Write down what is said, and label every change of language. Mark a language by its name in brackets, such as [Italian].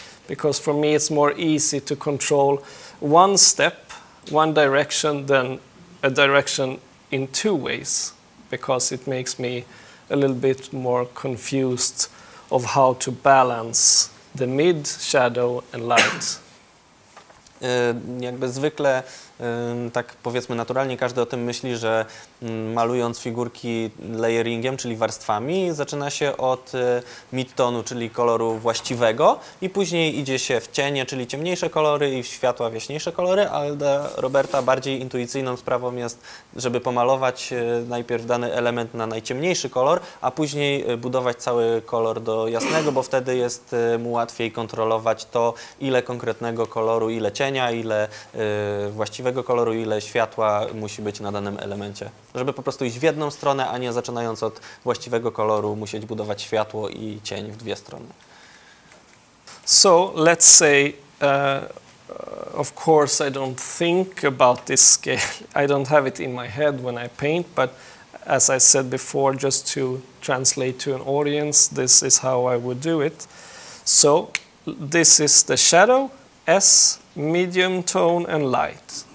[English] Because for me, it's more easy to control one step, one direction, than a direction in two ways, because it makes me a little bit more confused of how to balance the mid, shadow and light. [Polish] Jakby zwykle, tak powiedzmy naturalnie, każdy o tym myśli, że malując figurki layeringiem, czyli warstwami, zaczyna się od mid-tonu, czyli koloru właściwego, i później idzie się w cienie, czyli ciemniejsze kolory, i w światła, w jaśniejsze kolory, ale dla Roberta bardziej intuicyjną sprawą jest, żeby pomalować najpierw dany element na najciemniejszy kolor, a później budować cały kolor do jasnego, bo wtedy jest mu łatwiej kontrolować to, ile konkretnego koloru, ile cienia, ile właściwego koloru, ile światła musi być na danym elemencie. Żeby po prostu iść w jedną stronę, a nie zaczynając od właściwego koloru musieć budować światło i cień w dwie strony. [English] So, let's say of course, I don't think about this scale. I don't have it in my head when I paint, but as I said before, just to translate to an audience, this is how I would do it. So this is the shadow, S, medium tone, and light.